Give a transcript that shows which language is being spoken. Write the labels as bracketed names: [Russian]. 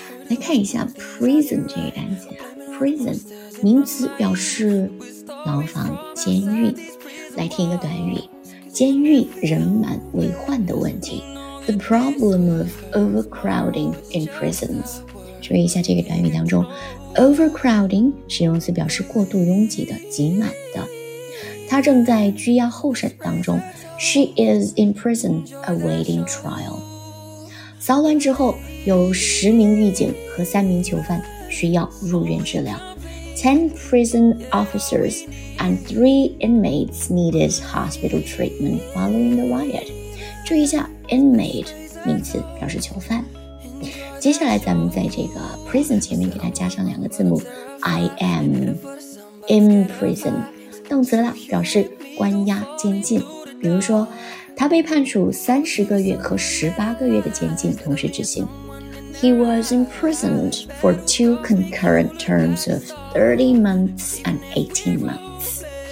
[Chinese] 来看一下 prison 这个单词啊， prison 名词表示牢房、监狱。来听一个短语，监狱人满为患的问题， [English] The problem of overcrowding in prisons. [Chinese] 注意一下这个短语当中 ，overcrowding 是用词表示过度拥挤的、挤满的。她正在拘押候审当中 ， [English] She is in prison awaiting trial. [Chinese] 扫完之后，有十名狱警和三名囚犯需要入院治疗。 [English] 10 prison officers and 3 inmates needed hospital treatment following the riot. [Chinese] 注意一下。 Inmate 名词表示囚犯。接下来咱们在这个 prison 前面给它加上两个字母 [English] I am in prison [Chinese] 动词了，表示关押监禁。比如说他被判处30个月和18个月的监禁同时执行。 [English] He was imprisoned for 2 concurrent terms of 30 months and 18 months。